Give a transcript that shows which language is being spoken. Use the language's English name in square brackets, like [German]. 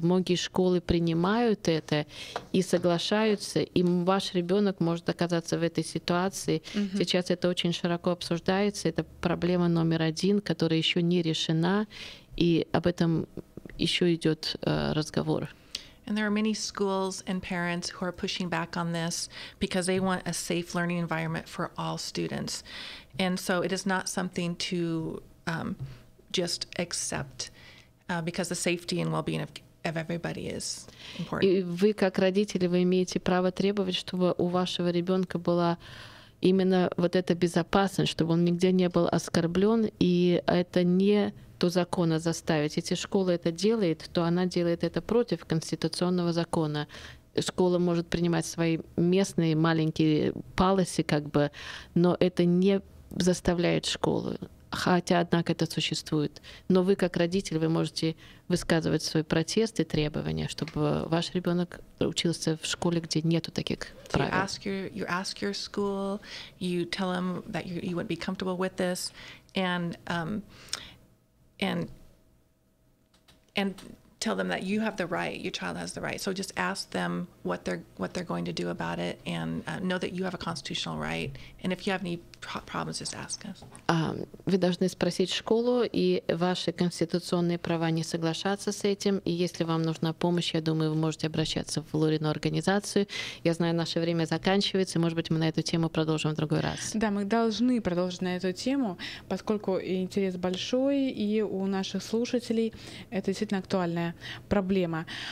[Russian] Многие школы принимают это и соглашаются, и ваш ребенок может оказаться в этой ситуации. Сейчас это очень широко обсуждается, это проблема номер один, которая еще не решена, и об этом еще идет разговор. [English] And there are many schools and parents who are pushing back on this because they want a safe learning environment for all students. And so it is not something to just accept because the safety and well-being of everybody is important. [Russian] И вы как родители, вы имеете право требовать, чтобы у вашего ребенка была именно вот эта безопасность, чтобы он нигде не был оскорблен, и это не то закона заставить. Если школа это делает, то она делает это против конституционного закона. Школа может принимать свои местные маленькие policy, как бы, но это не заставляет школу. Хотя, однако, это существует. Но вы, как родитель, вы можете высказывать свой протест и требования, чтобы ваш ребенок учился в школе, где нету таких правил. [English] You ask your school, you tell them that you wouldn't be comfortable with this, and tell them that you have the right, your child has the right. So just ask them what they're going to do about it, and know that you have a constitutional right. And if you have any problems, just ask us. [Russian] Вы должны спросить школу, и ваши конституционные права не соглашаться с этим. И если вам нужна помощь, я думаю, вы можете обращаться в Лорину организацию. Я знаю, наше время заканчивается, может быть, мы на эту тему продолжим в другой раз. Да, мы должны продолжить на эту тему, поскольку интерес большой, и у наших слушателей это действительно актуальная проблема.